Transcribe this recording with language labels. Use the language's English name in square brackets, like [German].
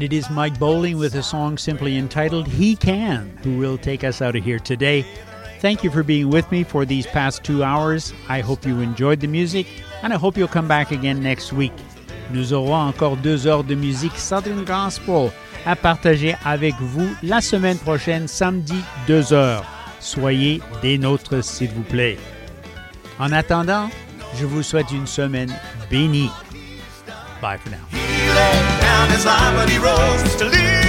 [English] Mike Bowling with a song simply entitled He Can, who will take us out of here today. Thank you for being with me for these past 2 hours. I hope you enjoyed the music, and I hope you'll come back again next week. [French] Nous aurons encore 2 heures de musique Southern Gospel à partager avec vous la semaine prochaine, samedi, 2 heures. Soyez des nôtres, s'il vous plaît. En attendant, je vous souhaite une semaine bénie. Bye for now. [English] Down his line, but he rose to live.